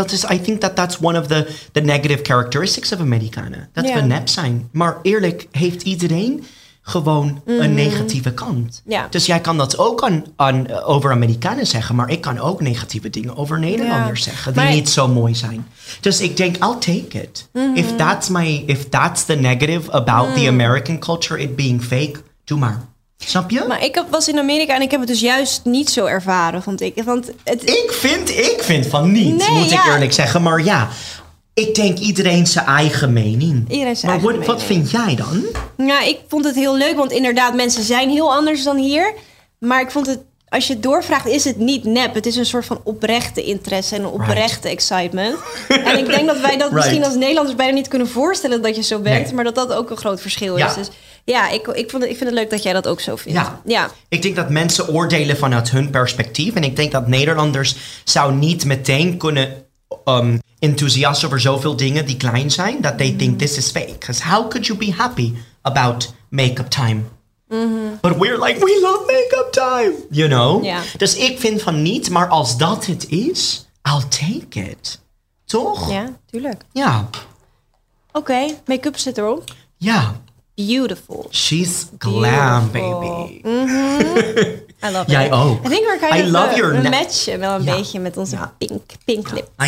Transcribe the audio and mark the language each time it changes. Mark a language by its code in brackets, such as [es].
[en] I think that that's one of the negative characteristics of Amerikanen. [nl] Dat we nep zijn. Maar eerlijk, heeft iedereen gewoon een negatieve kant. Yeah. Dus jij kan dat ook over Amerikanen zeggen. Maar ik kan ook negatieve dingen over Nederlanders zeggen. Die niet zo mooi zijn. Dus ik denk, [en] I'll take it. Mm-hmm. If that's the negative about the American culture, it being fake, [nl] doe maar. Snap je? Maar ik was in Amerika en ik heb het dus juist niet zo ervaren, vond ik. Want ik vind van niet, moet ik eerlijk zeggen. Maar ja, ik denk iedereen zijn eigen mening. Wat vind jij dan? Nou, ik vond het heel leuk, want inderdaad, mensen zijn heel anders dan hier. Maar ik vond het, als je het doorvraagt, is het niet nep. Het is een soort van oprechte interesse en een oprechte excitement. En ik denk dat wij dat misschien als Nederlanders bijna niet kunnen voorstellen dat je zo bent. Nee. Maar dat dat ook een groot verschil is. Dus, ja, ik vind het leuk dat jij dat ook zo vindt. Ja. Ja. Ik denk dat mensen oordelen vanuit hun perspectief. En ik denk dat Nederlanders zou niet meteen kunnen enthousiast over zoveel dingen die klein zijn. [en] Dat they think this is fake. Because how could you be happy about make-up time? Mm-hmm. But we're like, we love make-up time, you know? [nl] Ja. Dus ik vind van niet, maar als dat het is, [en] I'll take it. [nl] Toch? Ja, tuurlijk. Ja. Oké, make-up zit erom. Ja. [en] Beautiful. She's glam, beautiful. Baby. Mm-hmm. I love [nl] it. Jij ook. [en] I think we're kind of [nl] matchen wel een beetje met onze pink lips.